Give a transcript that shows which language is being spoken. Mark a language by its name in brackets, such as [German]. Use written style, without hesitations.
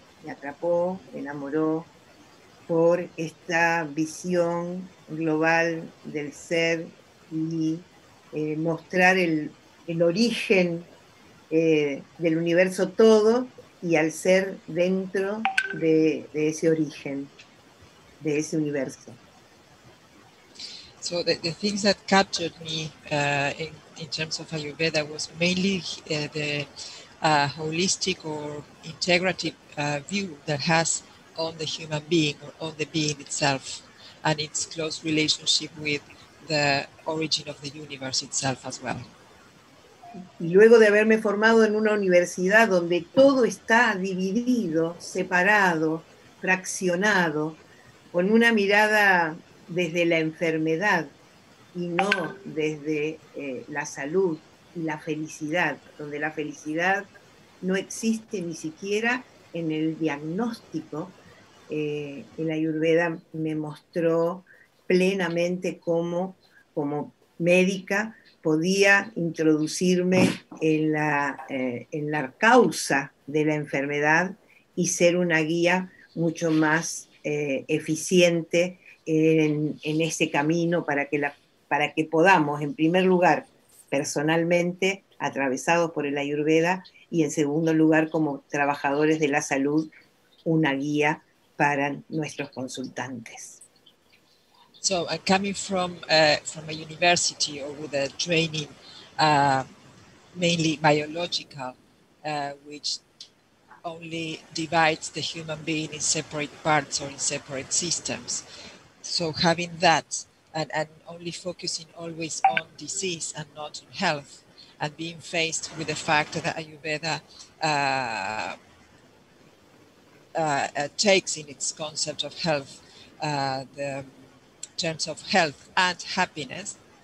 [Spanish] me atrapó, me enamoró por esta visión global del ser y mostrar el origen del universo todo y al ser dentro de ese origen, de ese universo. [English] So the things that captured me in terms of Ayurveda was mainly the holistic or integrative view that has on the human being or on the being itself and its close relationship with the origin of the universe itself as well. [Spanish] Y luego de haberme formado en una universidad donde todo está dividido, separado, fraccionado, con una mirada desde la enfermedad y no desde la salud y la felicidad, donde la felicidad no existe ni siquiera en el diagnóstico, la Ayurveda me mostró plenamente cómo, como médica, podía introducirme en la causa de la enfermedad y ser una guía mucho más eficiente en ese camino para que podamos, en primer lugar, personalmente, atravesados por el Ayurveda, y en segundo lugar, como trabajadores de la salud, una guía para nuestros consultantes. [English] So I'm coming from a university or with a training mainly biological, which only divides the human being in separate parts or in separate systems. So having that and only focusing always on disease and not on health and being faced with the fact that Ayurveda takes in its concept of health the terms of health and happiness,